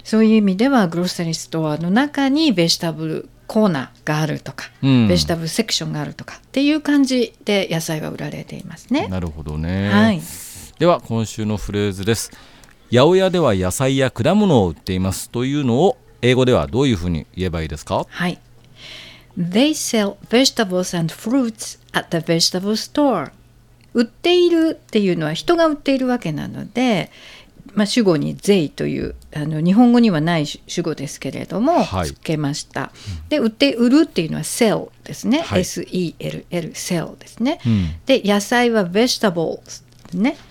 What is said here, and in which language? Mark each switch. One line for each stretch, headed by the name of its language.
Japanese: そういう意味ではグロッサリーストアの中にベジタブルコーナーがあるとか、ベジタブルセクションがあるとかっていう感じで野菜は売られていますね。なるほどね、はい、では今週のフレーズです。八百屋では野菜や果物を売っていますというのを英語ではどういうふうに言えばいいですか？
English: はい、They sell vegetables and fruits at the vegetable store.
Japanese: 売っているっていうのは人が売っているわけなので、まあ、主語に they という日本語にはない主語ですけれども、はい、つけました。で、売るっていうのは sell ですね。はい、S-E-L-L、sell ですね。で、野菜は vegetables ね、